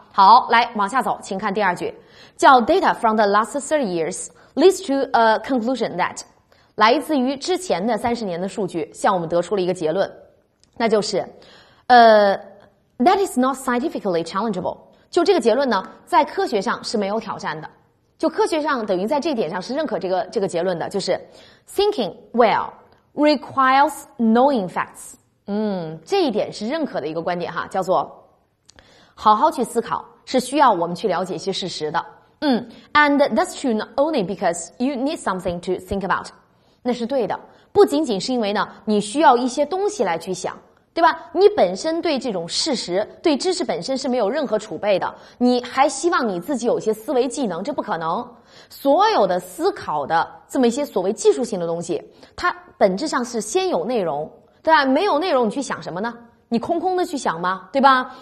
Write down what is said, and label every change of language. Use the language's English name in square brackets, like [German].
[Chinese] 好，来往下走，请看第二句，叫 [English] Data from the last 30 years leads to a conclusion that， [Chinese] 来自于之前的30年的数据向我们得出了一个结论，那就是 [English] that is not scientifically challengeable， [Chinese] 就这个结论呢在科学上是没有挑战的，就科学上等于在这点上是认可这个结论的，就是 [English] thinking well requires knowing facts。 [Chinese] 这一点是认可的一个观点哈，叫做好好去思考是需要我们去了解一些事实的。 [English] And that's true not only because you need something to think about， [Chinese] 那是对的，不仅仅是因为呢你需要一些东西来去想，对吧？你本身对这种事实对知识本身是没有任何储备的，你还希望你自己有些思维技能，这不可能。所有的思考的这么一些所谓技术性的东西，它本质上是先有内容，对吧？没有内容你去想什么呢？你空空的去想吗？对吧？